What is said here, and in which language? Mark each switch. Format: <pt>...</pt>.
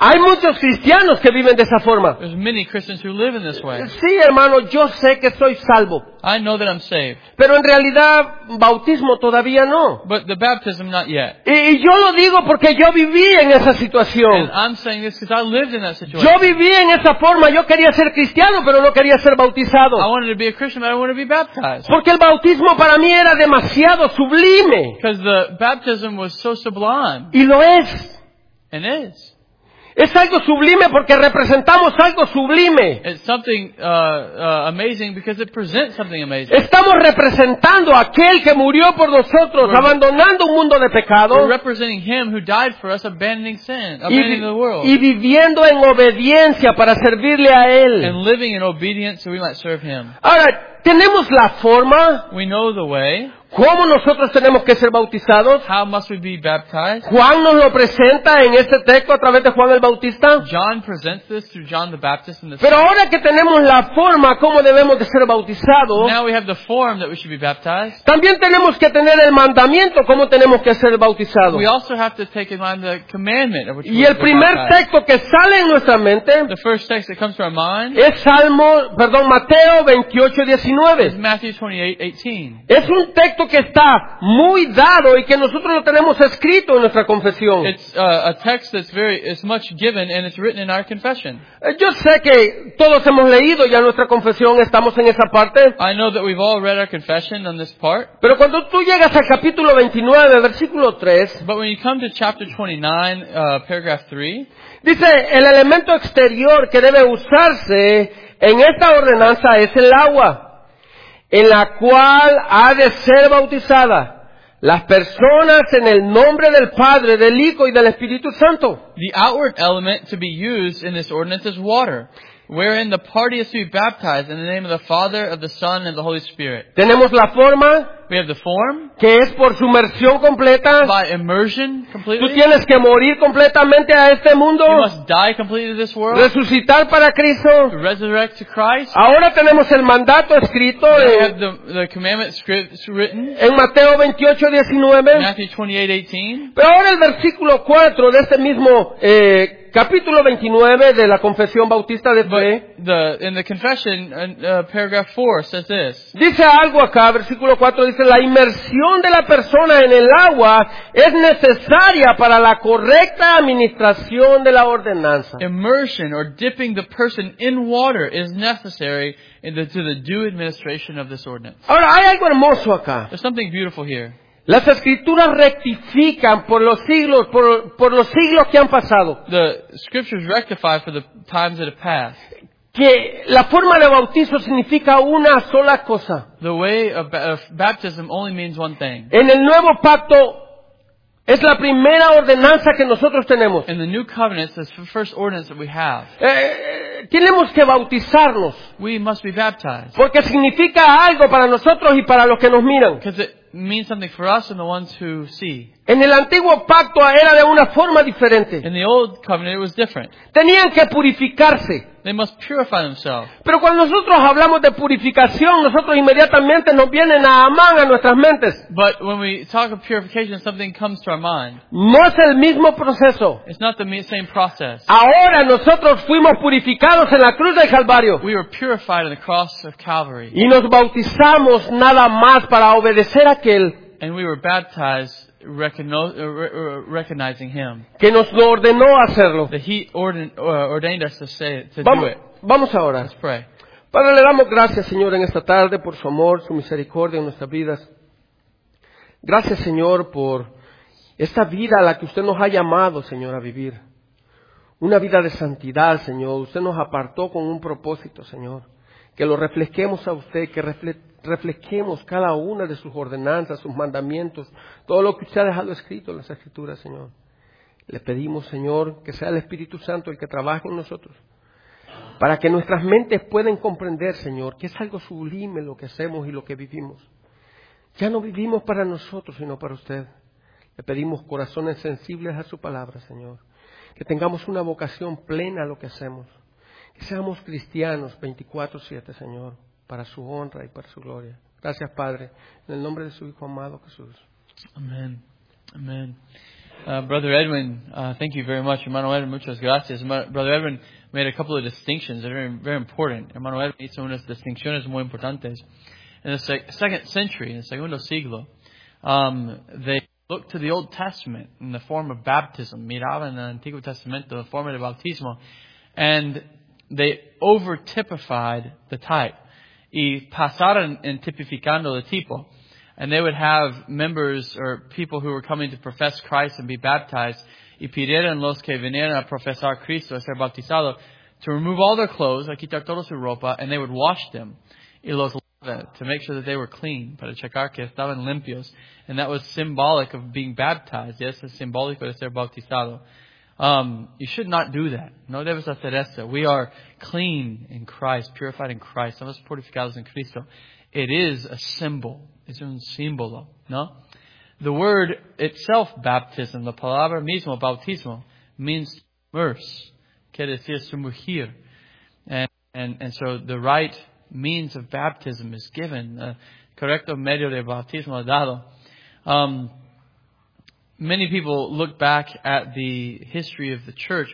<es>Hay muchos cristianos que viven de esa forma.</es> <en>There's many Christians who live in this way.</en> <es>Sí, hermano, yo sé que soy salvo.</es> <en>I know that I'm saved.</en> <es>Pero en realidad, bautismo todavía no.</es> <en>But the baptism not yet.</en> <es>Y yo lo digo porque yo viví en esa situación.</es> <en>And I'm saying this because I lived in that situation.</en> <es>Yo viví en esa forma. Yo quería ser cristiano, pero no quería ser bautizado.</es> <en>I wanted to be a Christian, but I wanted to be baptized.</en> <es>Porque el bautismo para mí era demasiado sublime.</es> <en>Because the baptism was so sublime.</en> <es>Y lo es.</es> <en>And is.</en> <es>Es algo sublime porque representamos algo sublime.</es> <en>It's something amazing because it presents something amazing.</en> <es>Estamos representando a aquel que murió por nosotros,</es> <en>we're</en> <es>abandonando un mundo de pecado.</es> <en>We're representing him who died for us, abandoning sin, abandoning the world.</en> <es>Y viviendo en obediencia para servirle a él.</es> <en>And living in obedience so we might serve him.</en> <es>Ahora, tenemos la forma.</es> <en>We know the way.</en> <es>¿Cómo nosotros tenemos que ser bautizados?</es> <en>How must we be baptized?</en> <es>Juan nos lo presenta en este texto a través de Juan el Bautista.</es> <en>John presents this through John the Baptist in this.</en> <es>Pero ahora que tenemos la forma, ¿cómo debemos de ser bautizados?</es> <en>Now we have the form that we should be baptized.</en> <es>También tenemos que tener el mandamiento, ¿cómo tenemos que ser bautizados?</es> <en>We also have to take in mind the commandment of which.</en> <es>Y el primer texto que sale en nuestra mente,</es> <en>the first text that comes to our mind,</en> <es>es Salmo, perdón, Mateo 28:19.</es> <en>Is Matthew 28:18.</en> <es>Es un texto que está muy dado y que nosotros lo tenemos escrito en nuestra confesión.</es> <en>It's a text that's very, it's much given and it's written in our confession.</en> <es>Yo sé que todos hemos leído ya nuestra confesión, estamos en esa parte.</es> <en>I know that we've all read our confession on this part.</en> <es>Pero cuando tú llegas al capítulo 29, versículo 3,</es> <en>but when you come to chapter 29, paragraph 3,</en> <es>dice, el elemento exterior que debe usarse en esta ordenanza es el agua, en la cual ha de ser bautizada las personas en el nombre del Padre, del Hijo y del Espíritu Santo.</es> <en>The outward element to be used in this ordinance is water, wherein the party is to be baptized in the name of the Father, of the Son, and the Holy Spirit.</en> <es>Tenemos la forma.</es> <en>We have the form.</en> <es>Que es por sumersión completa.</es> <en>By immersion completely.</en> <es>Tú tienes que morir completamente a este mundo.</es> <en>You must die completely to this world.</en> <es>Resucitar para Cristo.</es> <en>To resurrect to Christ.</en> <es>Ahora tenemos el mandato escrito.</es> <en>We have the commandment written.</en> <es>En Mateo 28:19.</es> <en>Matthew 28:18.</en> <es>Pero ahora el versículo 4 de este mismo capítulo 29 de la confesión bautista de fe.</es> <en>In the confession, paragraph 4 says this.</en> <es>Dice algo acá, versículo 4 dice, la inmersión de la persona en el agua es necesaria para la correcta administración de la ordenanza.</es> <en>Immersion or dipping the person in water is necessary to the due administration of this ordinance.</en> <es>Ahora, hay algo hermoso acá.</es> <en>There's something beautiful here.</en> <es>Las escrituras rectifican por los siglos que han pasado.</es> <en>The scriptures rectify for the times that have passed.</en> <es>Que la forma de bautizo significa una sola cosa.</es> <en>The way of baptism only means one thing.</en> <es>En el nuevo pacto es la primera ordenanza que nosotros tenemos.</es> <en>In the new covenant it's the first ordinance that we have.</en> <es>Tenemos que bautizarnos.</es> <en>We must be baptized.</en> <es>Porque significa algo para nosotros y para los que nos miran.</es> <en>Means something for us and the ones who see.</en> <es>En el antiguo pacto era de una forma diferente.</es> <en>In the old covenant it was different.</en> <es>Tenían que purificarse.</es> <en>They must purify themselves.</en> <es>Pero cuando nosotros hablamos de purificación, nosotros inmediatamente nos viene Naamán a nuestras mentes.</es> <en>But when we talk of purification, something comes to our mind.</en> <es>No es el mismo proceso.</es> <en>It's not the same process.</en> <es>Ahora nosotros fuimos purificados en la cruz del Calvario.</es> <en>We were purified on the cross of Calvary.</en> <es>Y nos bautizamos nada más para obedecer a aquel.</es> <en>And we were baptized recognizing him.</en> <es>Que nos lo ordenó hacerlo.</es> <en>That he ordained us to do it.</en> <es>Vamos a orar.</es> <en>Let's pray.</en> <es>Padre, le damos gracias, Señor, en esta tarde por su amor, su misericordia en nuestras vidas. Gracias, Señor, por esta vida a la que usted nos ha llamado, Señor, a vivir. Una vida de santidad, Señor. Usted nos apartó con un propósito, Señor. Que lo reflejemos a usted, que reflejemos cada una de sus ordenanzas, sus mandamientos, todo lo que usted ha dejado escrito en las Escrituras, Señor. Le pedimos, Señor, que sea el Espíritu Santo el que trabaje en nosotros, para que nuestras mentes puedan comprender, Señor, que es algo sublime lo que hacemos y lo que vivimos. Ya no vivimos para nosotros, sino para usted. Le pedimos corazones sensibles a su palabra, Señor. Que tengamos una vocación plena a lo que hacemos. Que seamos cristianos 24/7, Señor, para su honra y para su gloria. Gracias, Padre, en el nombre de su Hijo amado Jesús. Amén. Amén.</es> <en>Brother Edwin, thank you very much.</en> <es>Hermano Edwin, muchas gracias.</es> <en>Brother Edwin made a couple of distinctions that are very, very important.</en> <es>Hermano Edwin hizo unas distinciones muy importantes.</es> <en>In the second century, in the</en> <es>segundo siglo,</es> <en>they looked to the Old Testament in the form of baptism.</en> <es>Miraban en el Antiguo Testamento en forma de bautismo.</es> <en>And they over-typified the type.</en> <es>Y pasaron en tipificando el tipo.</es> <en>And they would have members or people who were coming to profess Christ and be baptized.</en> <es>Y pidieron los que vinieran a profesar Cristo, a ser bautizado,</es> <en>to remove all their clothes,</en> <es>a quitar toda su ropa,</es> <en>and they would wash them.</en> <es>Y los lave,</es> <en>to make sure that they were clean,</en> <es>para checar que estaban limpios.</es> <en>And that was symbolic of being baptized. Yes,</en> <es>es simbólico de ser bautizado.</es> <en>You should not do that.</en> <es>No debes hacer eso.</es> <en>We are clean in Christ, purified in Christ.</en> <es>Somos purificados en Cristo.</es> <en>It is a symbol.</en> <es>Es un símbolo, ¿no?</es> <en>The word itself, baptism,</en> <es>la palabra mismo, bautismo,</es> <en>means immerse.</en> <es>Quiere decir sumergir.</es> <en>And so the right means of baptism is given.</en> <es>The correcto medio de bautismo es dado.</es> <en>Many people look back at the history of the church.</en>